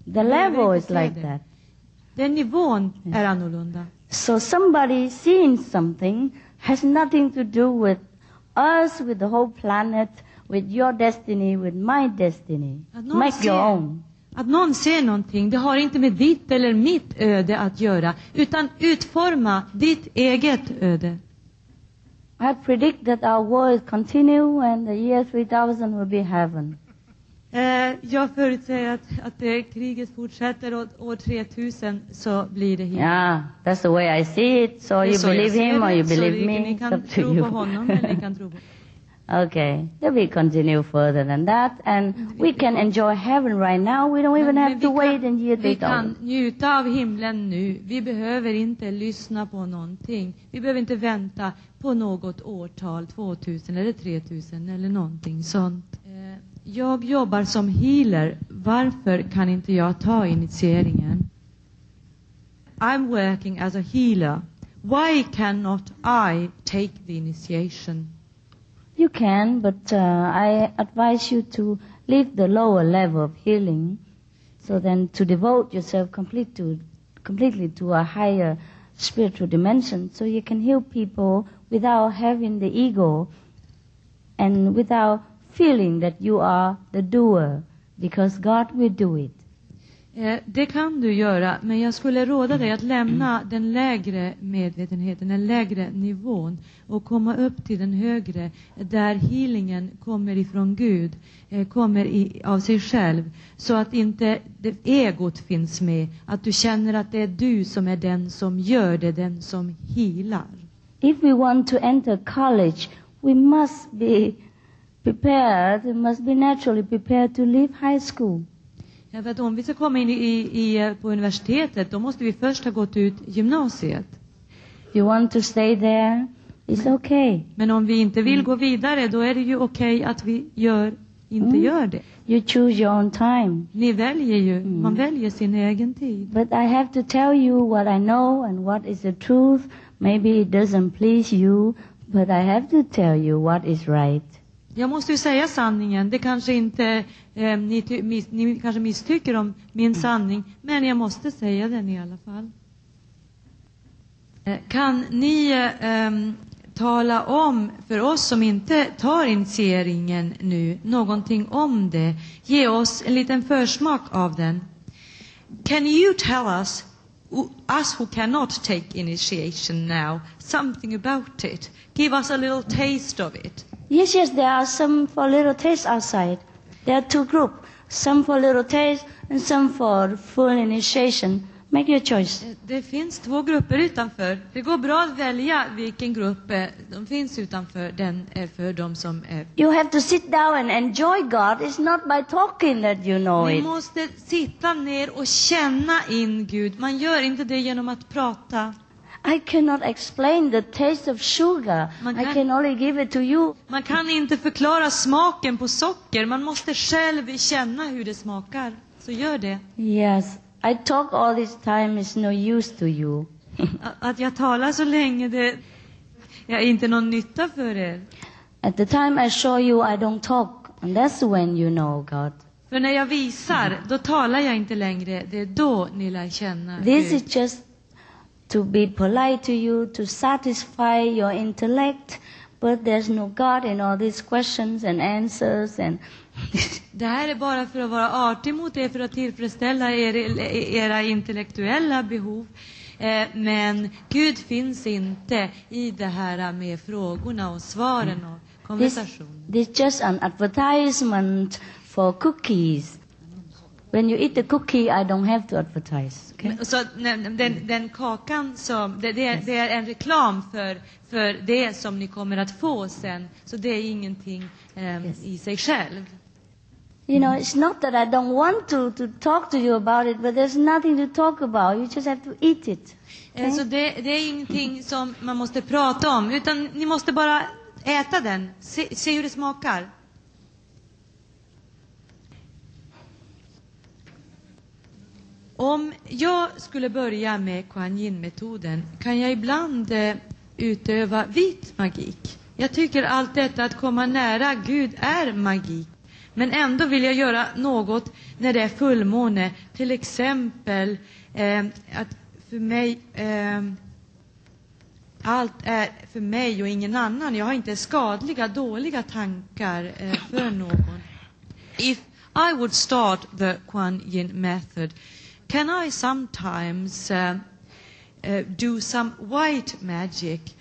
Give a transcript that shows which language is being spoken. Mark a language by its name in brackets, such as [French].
[English] The level is like that. [Swedish] Den nivån är annorlunda. [English] So somebody seeing something has nothing to do with us, with the whole planet, with your destiny, with my destiny. Make your own. [Swedish] Att någon ser någonting, det har inte med ditt eller mitt öde att göra, utan utforma ditt eget öde. [English] I predict that our war will continue and the year 3000 will be heaven. [Swedish] Jag förutsäger att det kriget fortsätter och år 3000 så blir det himmel. [English] Ja, yeah, that's the way I see it. So you believe him or you believe me. [Swedish] Ni kan tro på honom eller ni kan tro på. [English] Okay, then we continue further than that, and we can enjoy heaven right now. We don't even have to wait in year 3000. [Swedish] Vi kan njuta av himlen nu. Vi behöver inte lyssna på någonting. Vi behöver inte vänta på något årtal, 2000 eller 3000 eller någonting sånt. Jag jobbar som healer. Varför kan inte jag ta initieringen? [English] I'm working as a healer. Why cannot I take the initiation? You can, but I advise you to leave the lower level of healing, so then to devote yourself completely to a higher spiritual dimension, so you can heal people without having the ego and without feeling that you are the doer, because God will do it. [Swedish] Det kan du göra, men jag skulle råda dig att lämna den lägre medvetenheten, den lägre nivån, och komma upp till den högre, där healingen kommer ifrån Gud, kommer av sig själv, så att inte egot finns med, att du känner att det är du som är den som gör det, den som healar. [English] If we want to enter college, we must be prepared, we must be naturally prepared to leave high school. [Swedish] Ja, för att om vi ska komma in på universitetet, då måste vi först ha gått ut gymnasiet. [English] You want to stay there? It's okay. [Swedish] Men om vi inte vill gå vidare, då är det ju okej att vi gör det. [English] You choose your own time. [Swedish] Ni väljer ju. Man väljer sin egen tid. [English] But I have to tell you what I know and what is the truth. Maybe it doesn't please you, but I have to tell you what is right. [Swedish] Jag måste ju säga sanningen. Det kanske inte ni kanske misstycker om min sanning, men jag måste säga den i alla fall. Kan ni tala om för oss som inte tar initieringen nu någonting om det? Ge oss en liten försmak av den. [English] Can you tell us who cannot take initiation now something about it? Give us a little taste of it. Yes, there are some for little taste outside. There are two groups, some for little taste and some for full initiation. Make your choice. [Swedish] Det finns två grupper utanför. Det går bra att välja vilken grupp de finns utanför. Den är för de som är. [English] You have to sit down and enjoy God. It's not by talking that you know it. [Swedish] Ni måste sitta ner och känna in Gud. Man gör inte det genom att prata. [English] I cannot explain the taste of sugar. I can only give it to you. [Swedish] Man kan inte förklara smaken på socker. Man måste själv känna hur det smakar. Så gör det. [English] Yes. I talk all this time is no use to you. [Swedish] Att jag talar så länge, det är inte någon nytta för er. [English] At the time I show you I don't talk, and that's when you know God. [Swedish] För när jag visar, då talar jag inte längre. Det är då ni lär känna. [English] This [Swedish] Gud. [English] Is just to be polite to you, to satisfy your intellect, but there's no God in all these questions and answers and. [Swedish] Det här är bara för att vara artig mot er, för att tillfredsställa era intellektuella behov. Men Gud finns inte i det här med frågorna och svaren och konversationen. [English] This is just an advertisement for cookies. When you eat the cookie, I don't have to advertise. Okay? [Swedish] Så den kakan som det är en reklam för det som ni kommer att få sen. Så det är ingenting i sig själv. [English] You know, it's not that I don't want to talk to you about it, but there's nothing to talk about. You just have to eat it. Okay? [Swedish] Så det är ingenting som man måste prata om, utan ni måste bara äta den. Se hur det smakar. Om jag skulle börja med Kuan Yin-metoden, kan jag ibland utöva vit magik? Jag tycker allt detta att komma nära Gud är magik. Men ändå vill jag göra något när det är fullmåne. Till exempel att för mig allt är för mig och ingen annan. Jag har inte skadliga, dåliga tankar för någon. [English] If I would start the Kuan Yin method, can I sometimes do some white magic?